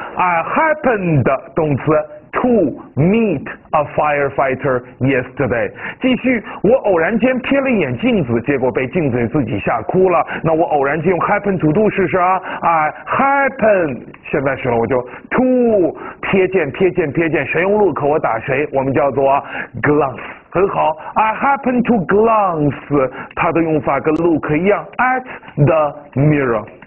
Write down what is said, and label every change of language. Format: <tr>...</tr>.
<en>I happened</en> <zh>动词</zh> <en>to meet a firefighter yesterday。</en> <zh>继续，我偶然间瞥了一眼镜子，结果被镜子自己吓哭了。那我偶然间用 happen to do 试试啊。</zh> <en>I happen</en> <zh>现在时候我就 to 瞥见谁用 look 我打谁，我们叫做 glance。很好，</zh> <en>I happen to glance，</en> <zh>它的用法跟 look 一样，</zh> <en>at the mirror。</en>